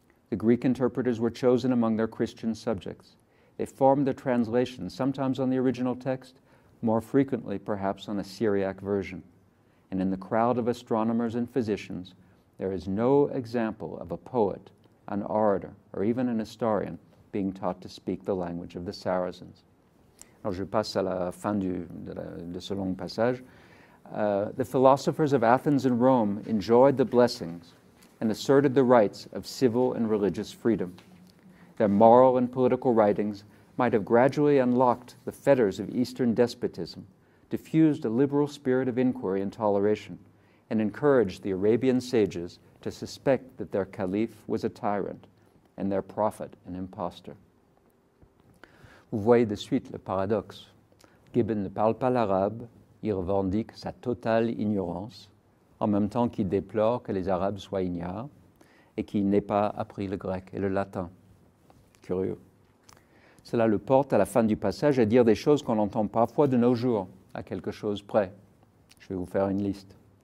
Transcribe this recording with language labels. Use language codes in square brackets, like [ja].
[en] The Greek interpreters were chosen among their Christian subjects. They formed their translations, sometimes on the original text, more frequently perhaps on a Syriac version. And in the crowd of astronomers and physicians, there is no example of a poet, an orator, or even an historian being taught to speak the language of the Saracens. [fr] Alors, je passe à la fin de ce long passage. [en] The philosophers of Athens and Rome enjoyed the blessings and asserted the rights of civil and religious freedom. Their moral and political writings might have gradually unlocked the fetters of Eastern despotism, diffused a liberal spirit of inquiry and toleration, and encouraged the Arabian sages to suspect that their caliph was a tyrant and their prophet an impostor. [fr] Vous voyez de suite le paradoxe. Gibbon ne parle pas l'arabe, il revendique sa totale ignorance, en même temps qu'il déplore que les Arabes soient ignares et qu'il n'ait pas appris le grec et le latin. Curieux. Cela le porte à la fin du passage à dire des choses qu'on entend parfois de nos jours, à quelque chose près. Je vais vous faire une liste.